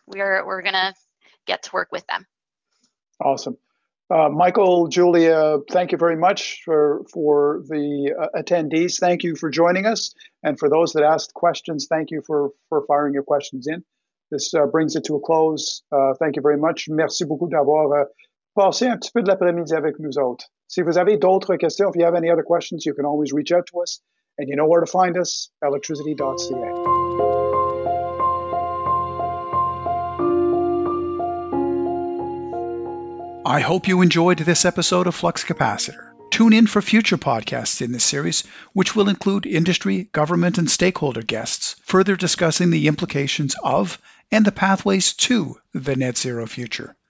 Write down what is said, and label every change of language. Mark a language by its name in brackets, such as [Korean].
[English] We're going to get to work with them. Awesome. Michael, Julia, thank you very much for the attendees. Thank you for joining us. And for those that asked questions, thank you for firing your questions in. This brings it to a close. Thank you very much. [French] Merci beaucoup d'avoir passé un petit peu de l'après-midi avec nous autres. Si vous avez d'autres questions, [English] if you have any other questions, you can always reach out to us. And you know where to find us, electricity.ca. I hope you enjoyed this episode of Flux Capacitor. Tune in for future podcasts in this series, which will include industry, government, and stakeholder guests, further discussing the implications of and the pathways to the net zero future.